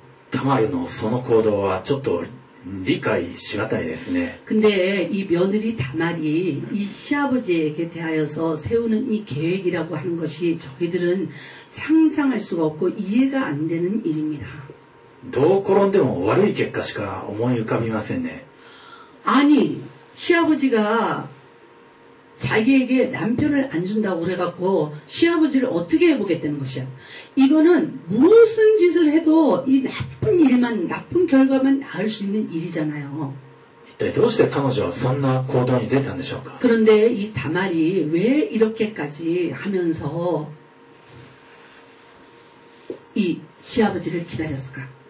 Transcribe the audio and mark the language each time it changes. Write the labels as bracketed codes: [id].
[ja] 다말의その行動はちょっと理解しがたいですね。 [ko] 근데 이 며느리 다말이 이 시아버지에게 대하여서 세우는 이 계획이라고 하는 것이 저희들은 상상할 수가 없고 이해가 안 되는 일입니다. [ja] どう転んでも悪い結果しか思い浮かびませんね。 [ko] 아니, 시아버지가 자기에게 남편을 안 준다고 그래갖고 시아버지를 어떻게 해보겠다는 것이야. 이거는 무슨 짓을 해도 이 나쁜 일만, 나쁜 결과만 나을 수 있는 일이잖아요. [ja] どうして彼女はそんな行動に出たんでしょうか? [ko] 그런데 이 다말이 왜 이렇게까지 하면서 이 시아버지를 기다렸을까?